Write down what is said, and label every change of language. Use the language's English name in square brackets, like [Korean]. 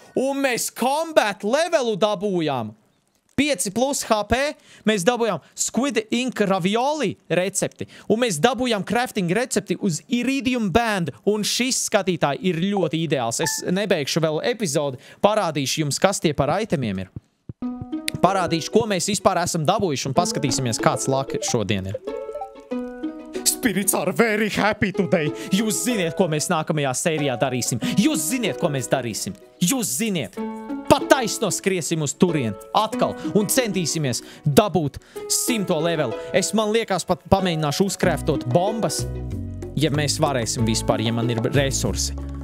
[Latvian] Un mēs combat levelu dabūjām. 5+ HP mēs dabūjām Squid Ink Ravioli recepti. Un mēs dabūjām crafting recepti uz Iridium Band. Un šis, skatītāji, ir ļoti ideāls. Es nebeigšu vēl epizodu. Parādīšu jums, kas tie par itemiem ir. Parādīšu, ko mēs vispār esam dabūjuši. Un paskatīsimies, kāds luck šodien ir. [English] Spirits are very happy today. [Latvian] Jūs ziniet, ko mēs nākamajā sērijā darīsim. Jūs ziniet, ko mēs darīsim. Jūs ziniet. Pataisno skriesim uz turien. Atkal. Un centīsimies dabūt 100. Leveli. Es man liekas pat pamēģināšu uzkrēftot bombas. Ja mēs varēsim vispār, ja man ir resursi.